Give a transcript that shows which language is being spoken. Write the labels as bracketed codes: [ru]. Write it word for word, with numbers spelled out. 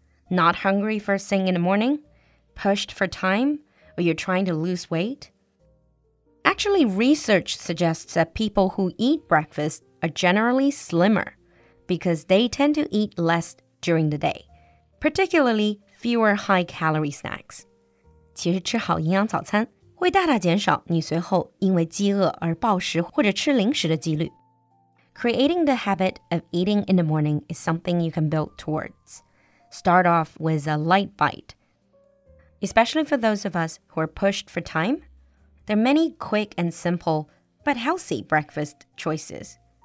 [en] Not hungry first thing in the morning, pushed for time, or you're trying to lose weight. Actually, research suggests that people who eat breakfast are generally slimmer because they tend to eat less during the day, particularly fewer high-calorie snacks. [zh] 其实吃好营养早餐会大大减少你随后因为饥饿而暴食或者吃零食的几率。 [en] Creating the habit of eating in the morning is something you can build towards. Start off with a light bite. Especially for those of us who are pushed for time, there are many quick and simple but healthy breakfast choices.